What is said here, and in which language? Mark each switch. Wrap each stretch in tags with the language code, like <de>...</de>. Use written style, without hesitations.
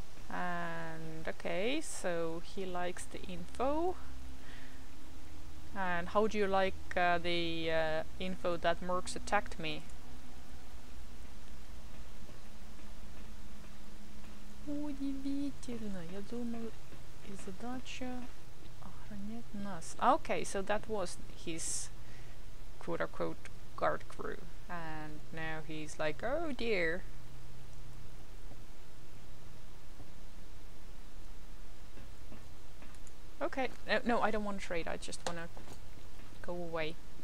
<en>And okay, so he likes the info. And how do you like the info that mercs attacked me?</en> <ru>Удивительно, я думал, и задача охранять нас.</ru> <en>Okay, so that was his quote-unquote guard crew. And now he's like, oh dear. Okay, no, I don't want to trade, I just want to go away.</en>